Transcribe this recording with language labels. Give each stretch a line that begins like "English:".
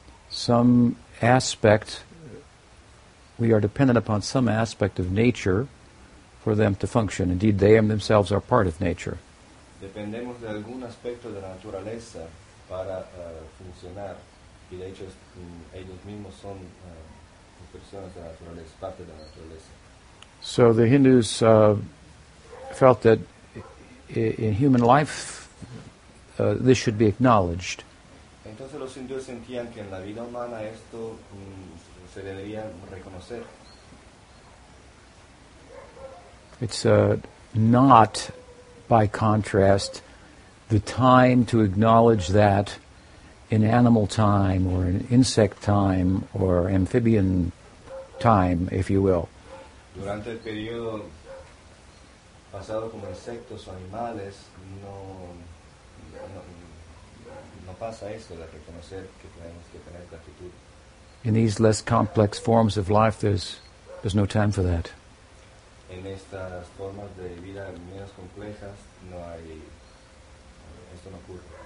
English: Some aspect, we are dependent upon some aspect of nature for them to function. Indeed, they themselves are part of nature.
Spanish: Dependemos de algún aspecto de la naturaleza para funcionar. Y de hecho, ellos mismos son personas de la naturaleza, parte de la naturaleza.
English: So the Hindus felt that in human life, this should be acknowledged.
Spanish: Entonces los hindúes sentían que en la vida humana esto se debería reconocer.
English: It's not, by contrast, the time to acknowledge that in animal time or in insect time or amphibian time, if you will.
Spanish: Durante el periodo pasado como insectos o animales, no pasa eso, de reconocer que tenemos que tener gratitud.
English: In these less complex forms of life, there's no time for that.
Spanish: En estas formas de vida menos complejas, no hay, esto no ocurre.